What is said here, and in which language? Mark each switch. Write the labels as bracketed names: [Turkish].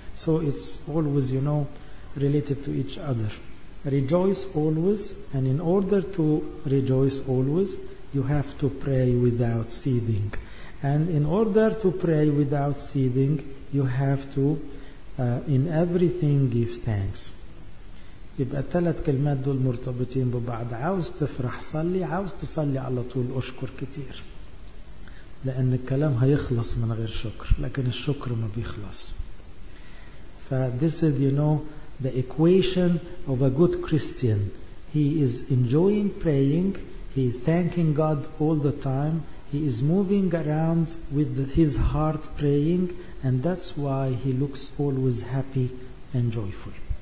[English] So it's always, you know, related to each other. Rejoice always, and in order to rejoice always, you have to pray without ceasing. And in order to pray without ceasing, you have to, in everything, give thanks. [Arabic] يبقى الثلاث كلمات دول مرتبطين ببعض. عاوز تفرح صلي، عاوز تصلي على طول أشكر كتير، لأن الكلام هيخلص من غير شكر، لكن الشكر ما بيخلص. [English] ف this is, you know, the equation of a good Christian. He is enjoying praying, he is thanking God all the time, he is moving around with his heart praying, and that's why he looks always happy and joyful.